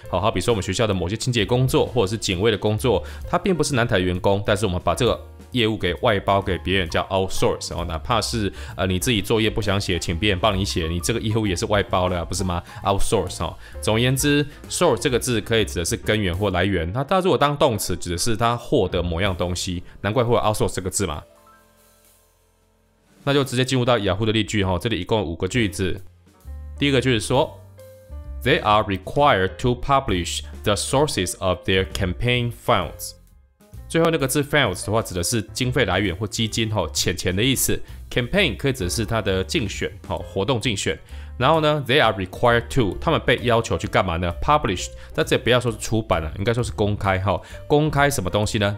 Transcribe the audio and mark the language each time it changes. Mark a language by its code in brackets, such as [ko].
[zh] 好，好比说我们学校的某些清洁工作或者是警卫的工作，他并不是南台员工，但是我们把这个业务给外包给别人，叫 outsource 哦，哪怕是你自己作业不想写，请别人帮你写，你这个业务也是外包了，不是吗？ outsource 哦。总而言之， source 这个字可以指的是根源或来源，那它如果当动词，指的是它获得某样东西，难怪会有 outsource 这个字嘛。那就直接进入到雅虎的例句哦，这里一共有五个句子。第一个句子说 [en] ，They are required to publish the sources of their campaign funds。 [zh] 最后那个字 funds 的话指的是经费来源或基金，钱钱的意思。 campaign 可以指的是他的竞选，活动竞选。然后呢 [en] they are required to， [zh] 他们被要求去干嘛呢？ publish， 但这也不要说是出版了，应该说是公开。公开什么东西呢？